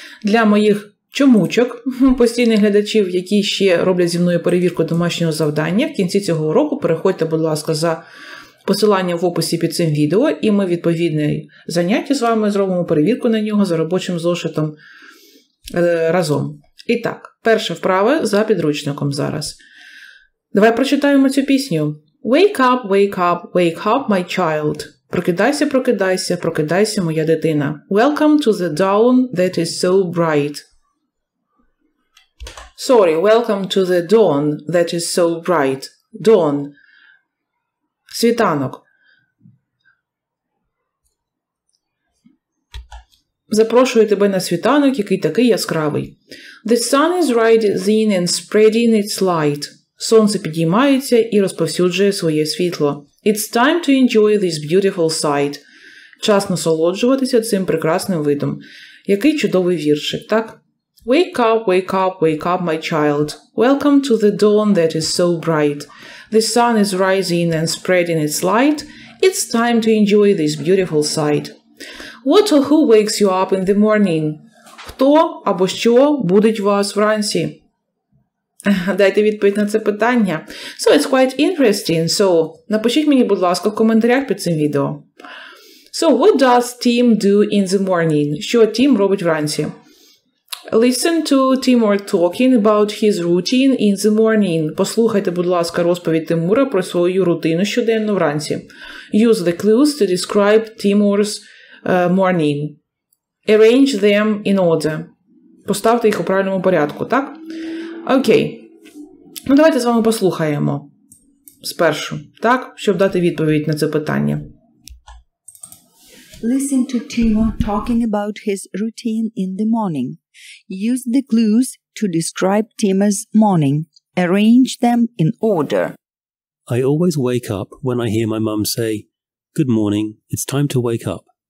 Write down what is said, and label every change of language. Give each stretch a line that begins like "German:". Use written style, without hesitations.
Ukrainian: Для моїх чомучок, постійних глядачів, які ще роблять зі мною перевірку домашнього завдання, в кінці цього уроку переходьте, будь ласка, за посилання в описі під цим відео, і ми відповідне заняття з вами зробимо перевірку на нього за робочим зошитом разом. І так, перше вправе за підручником зараз. Давай прочитаємо цю пісню.
English: Wake up, wake up, wake up, my child.
Ukrainian: Прокидайся, прокидайся, прокидайся, моя дитина.
English: Welcome to the dawn that is so bright. Sorry, welcome to the dawn that is so bright.
Ukrainian: Dawn. Світанок. Запрошую тебе на світанок, який такий яскравий.
English: The sun is rising and spreading its light.
Ukrainian: Сонце підіймається і розповсюджує своє світло.
English: It's time to enjoy this beautiful sight.
Ukrainian: Час насолоджуватися цим прекрасним видом. Який чудовий віршик, так?
English: Wake up, wake up, wake up, my child. Welcome to the dawn that is so bright. The sun is rising and spreading its light. It's time to enjoy this beautiful sight. What or who wakes you up in the morning?
Ukrainian: Хто або що будить вас вранці? Дайте відповідь на це питання.
English: So it's quite interesting.
Ukrainian: So напишіть мені, будь ласка, в коментарях під цим відео.
English: So what does Tim do in the morning?
Ukrainian: Що Тім робить вранці?
English: Listen to Timur talking about his routine in the morning.
Ukrainian: Послухайте, будь ласка, розповідь Тимура про свою рутину щоденно вранці.
English: Use the clues to describe Timur's morning. Arrange them in order.
Ukrainian: Поставте їх у правильному порядку, так? Окей. Ну давайте з вами послухаємо спершу, так, щоб дати відповідь на це питання.
English: Listen to Timur talking about his routine in the morning. Use the clues to describe Timur's morning. Arrange them in order. I always wake up when I hear my mum say, "Good morning, it's time to wake up."